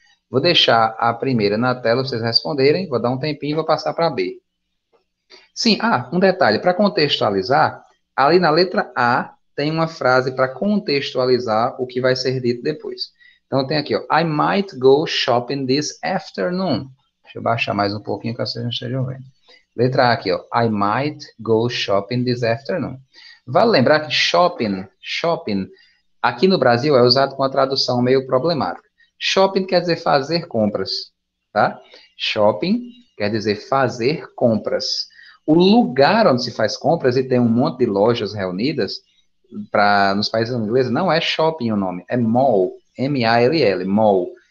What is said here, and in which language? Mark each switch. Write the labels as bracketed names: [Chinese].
[Portuguese] Vou deixar a primeira na tela para vocês responderem. Vou dar um tempinho e vou passar para B. Sim, ah, um detalhe. Para contextualizar, ali na letra A tem uma frase para contextualizar o que vai ser dito depois. Então tem aqui, ó, [English] I might go shopping this afternoon. [Portuguese] Deixa eu baixar mais um pouquinho para vocês não estejam vendo. Letra A aqui, ó, [English] I might go shopping this afternoon. [Portuguese] Vale lembrar que shopping, aqui no Brasil é usado com uma tradução meio problemática. Shopping quer dizer fazer compras, tá? Shopping quer dizer fazer compras. O lugar onde se faz compras e tem um monte de lojas reunidas, nos países ingleses, não é shopping o nome, é mall, M-A-L-L, mall.